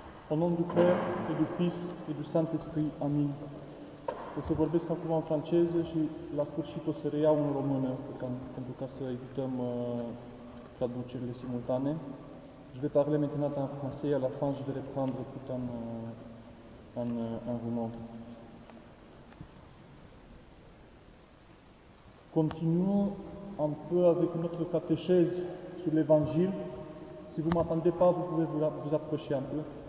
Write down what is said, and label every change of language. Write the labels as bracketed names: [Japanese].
[French] Au nom du Père et du Fils et du Saint-Esprit. [Romanian] Amin. O să vorbesc acum în franceză și la sfârșit o să reiau în română pentru ca să evităm traducerile simultane. [French] Je vais parler maintenant en français et à la fin je vais reprendre tout en roman. Continuons un peu avec notre catéchèse sur l'Évangile. Si vous ne m'attendez pas, vous pouvez vous approcher un peu.